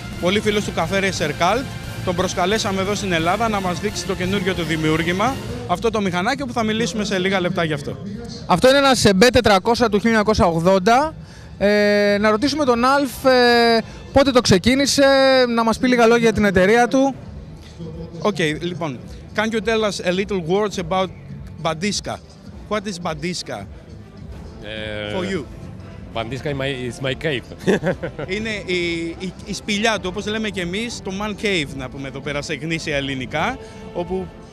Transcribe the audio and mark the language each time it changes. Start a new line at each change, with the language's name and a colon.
Greek: Πολύ φίλος του καφέ Racer Cult. Τον προσκαλέσαμε εδώ στην Ελλάδα να μας δείξει το καινούργιο του δημιούργημα. Αυτό το μηχανάκι που θα μιλήσουμε σε λίγα λεπτά γι' αυτό. Αυτό είναι ένα Σεμπέ 400 του 1980. Να ρωτήσουμε τον Αλφ πότε το ξεκίνησε, να μας πει λίγα λόγια για την εταιρεία του. Okay, λοιπόν.
English: Can you tell us a little words about Bandisca? What is Bandisca for you? Bandisca is my cave.
Greek: Είναι η σπηλιά του, όπως λέμε και εμείς, το man cave, να πούμε εδώ πέρα σε γνήσια ελληνικά, όπου...